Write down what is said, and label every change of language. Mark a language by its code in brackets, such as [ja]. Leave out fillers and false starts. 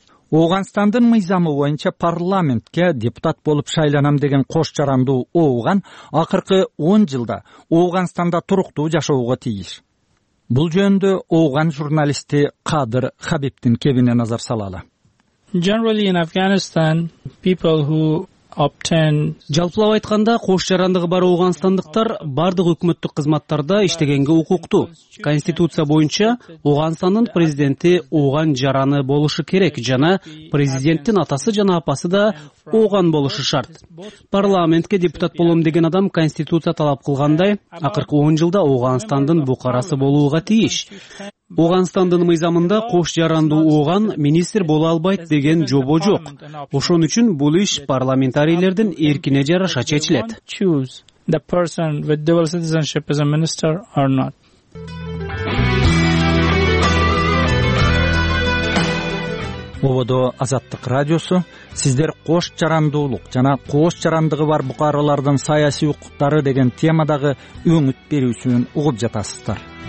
[ky] Ооганстандын мыйзамы боюнча парламентке депутат болуп шайланам деген кош жарандуу ооган акыркы 10 жылда Ооганстанда туруктуу жашоого тийиш. Бул жөнүндө ооган журналисти Кадыр Хабибтин кебине назар салалы. [en] Generally in Afghanistan, people who [ky] жалпылап айтканда кош жарандыгы бар оогансандыктар бардык өкмөттүк кызматтарда иштегенге укуктуу. Конституция боюнча Оогансандын президенти ооган жараны болушу керек жана президенттин атасы жана апасы да ооган болушу шарт. Парламентке депутат болом деген адам конституция талап кылгандай акыркы 10 жылда Оогансандын букарасы болууга тийиш. Оогансандын мыйзамында кош жарандуу ооган министр боло албайт деген жобо жок. Ошон үчүн бул иш парламентарийлердин эркине жараша чечилет. [en] The person with dual citizenship is a minister or not. [ky] Ободо Азаттык радиосу, сиздер кош жарандуулук жана кош жарандыгы бар букаралардын саясий укуктары деген темадагы өңүт берүүсүн угуп жатасыздар.